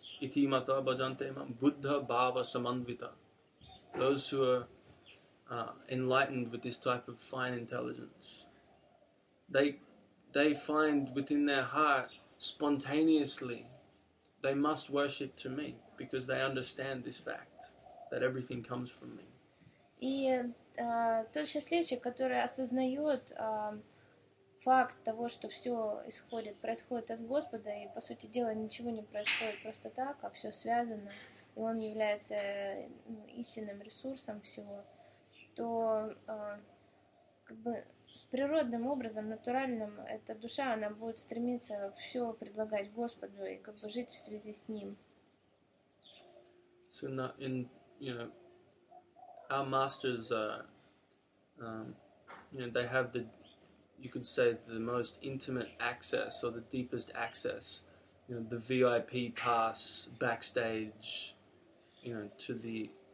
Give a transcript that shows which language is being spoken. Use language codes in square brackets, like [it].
[sa] Iti mata bhajante mam buddha bhava samanvita. [en] Those who are enlightened with this type of fine intelligence, they find within their heart spontaneously they must worship to me because they understand this fact that everything comes from me. [ru] И тот счастливчик, который осознает факт того, что все исходит, происходит от Господа, и, по сути дела, ничего не происходит просто так, а все связано, и он является истинным ресурсом всего, то как бы природным образом, натуральным, эта душа, она будет стремиться все предлагать Господу и как бы жить в связи с Ним. [en] So in, you know, our masters you know, they have the, you could say, the most intimate access or the deepest access, you know, the VIP pass backstage, you know, to the